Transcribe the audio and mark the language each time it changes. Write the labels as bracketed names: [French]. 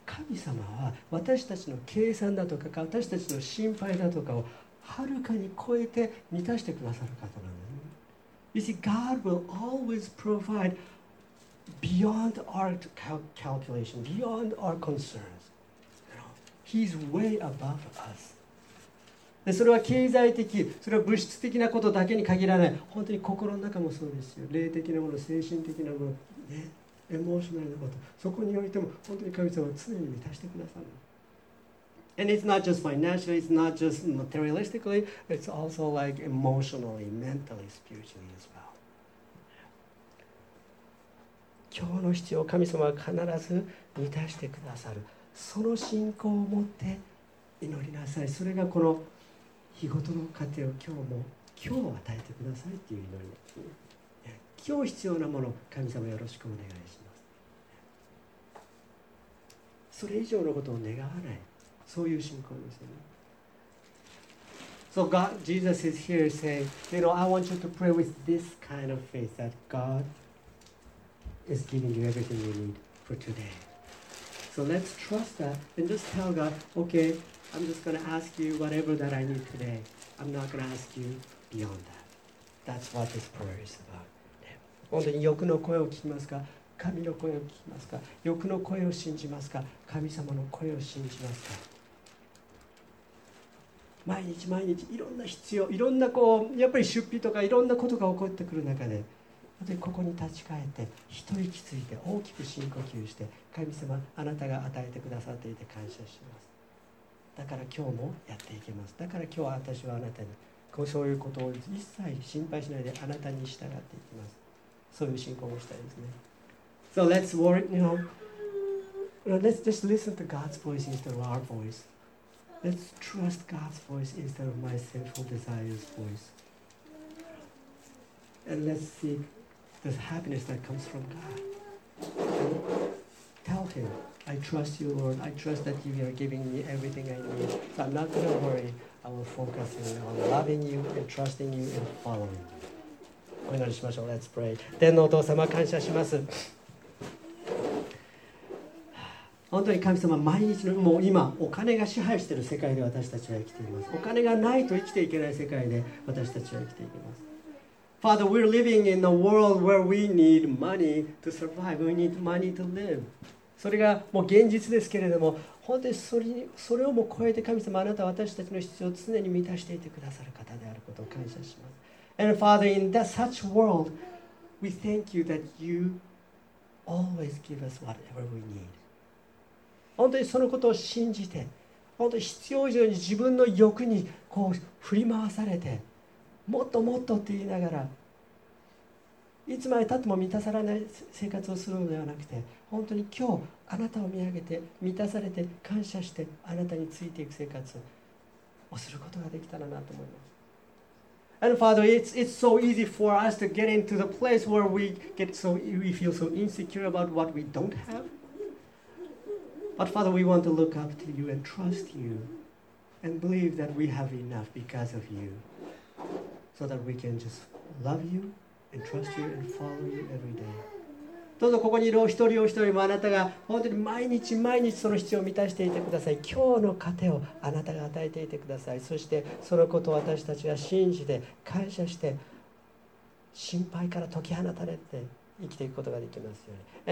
[Japanese] 神様は私たちの計算だとか私たちの心配だとかをはるかに超えて満たしてくださる方なんだよね。 [English] You see, God will always provide. Beyond our calculation, beyond our concerns, you know, He's way above us. [Japanese] でそれは経済的、それは物質的なことだけに限らない、本当に心の中もそうですよ、霊的なもの、精神的なもの、ね、エモーショナルなこと、そこにおいても本当に神様は常に満たしてくださる。 [English] And it's not just financially, it's not just materialistically, it's also like emotionally, mentally, spiritually as well. [Japanese] 今日の必要を神様は必ず満たしてくださる。その信仰を持って祈りなさい。それがこの日ごとの糧を今日も今日与えてくださいっていう祈り。今日必要なもの、神様よろしくお願いします。それ以上のことを願わない。そういう信仰ですよね。 [English] So God, Jesus is here saying, you know, I want you to pray with this kind of faith that God is giving you everything you need for today. So let's trust that and just tell God, okay, I'm just going to ask you whatever that I need today. I'm not going to ask you beyond that. That's what this prayer is about. [Japanese] 本当に欲の声を聞きますか？神の声を聞きますか？欲の声を信じますか？神様の声を信じますか？毎日毎日いろんな必要、いろんなこう、やっぱり出費とかいろんなことが起こってくる中で、本当にここに立ち返って一息ついて大きく深呼吸して、神様あなたが与えてくださっていて感謝します。だから今日もやっていけます。だから今日私はあなたにこうそういうことを一切心配しないであなたに従っていきます。そういう信仰をしたいですね。 [English] So let's worry, you know, let's just listen to God's voice instead of our voice. Let's trust God's voice instead of my sinful desires voice. And let's seekThe happiness that comes from God. And tell Him, I trust you, Lord. I trust that you are giving me everything I need. So I'm not going to worry. I will focus on loving you and trusting you and following you. [Japanese] お祈りしましょう。 [English] Let's pray. [Japanese] 天のお父様、感謝します。本当に神様、毎日のもう今、お金が支配している世界で私たちは生きています。お金がないと生きていけない世界で私たちは生きています。 [English] Father, we're living in a world where we need money to survive. We need money to live. [Japanese] それがもう現実ですけれども、本当にそれをも超えて神様、あなたは私たちの必要を常に満たしていてくださる方であることを感謝します。 [English] And Father, in that such world, we thank you that you always give us whatever we need. [Japanese] 本当にそのことを信じて、本当に必要以上に自分の欲にこう振り回されて、もっともっとって言いながらいつまでたっても満たされない生活をするのではなくて、本当に今日あなたを見上げて満たされて感謝してあなたについていく生活をすることができたらなと思います。 [English] And Father, it's so easy for us to get into the place where we feel so insecure about what we don't have. But Father, we want to look up to you and trust you and believe that we have enough because of youSo that we can just love you and trust you and follow you every day. [Japanese] どうぞここにいるお一人お一人もあなたが本当に毎日毎日その必要を満たしていてください。今日の糧をあなたが与えていてください。そしてそのことを私たちは信じて感謝して心配から解き放たれて生きていくことができますように。